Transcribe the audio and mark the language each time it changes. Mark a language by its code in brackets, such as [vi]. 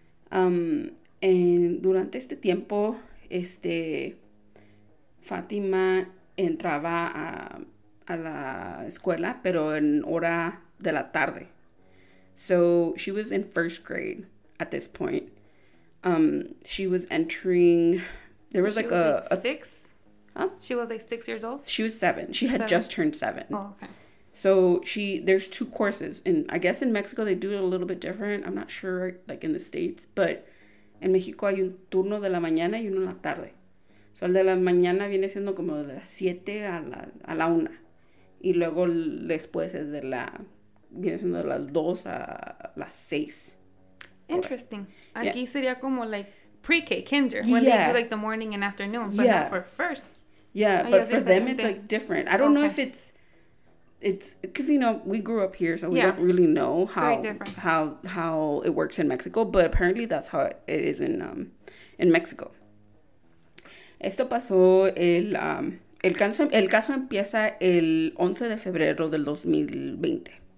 [es] Durante este tiempo, Fátima entraba a la escuela, pero en hora de la tarde. [en] So she was in first grade at this point. She was entering, there was she like was a six? Huh? She was like 6 years old? She was seven. She had just turned seven. Oh, okay. So there's two courses. And I guess in Mexico, they do it a little bit different. I'm not sure, like in the States. But in Mexico, [es] hay un turno de la mañana y uno de la tarde. So el de la mañana viene siendo como de las siete a la una. Y luego después es de la, viene siendo de las dos a las seis. [en] Interesting. Right. Aquí yeah. sería como like pre-K, kinder. When yeah. they do like the morning and afternoon. But yeah. not for first. Yeah, but for them, it's like different. I don't okay. know if it's... It's because, you know, we grew up here, so we yeah. don't really know how it works in Mexico. But apparently that's how it is in Mexico. [es] Esto pasó el caso empieza el 11 de febrero del 2020.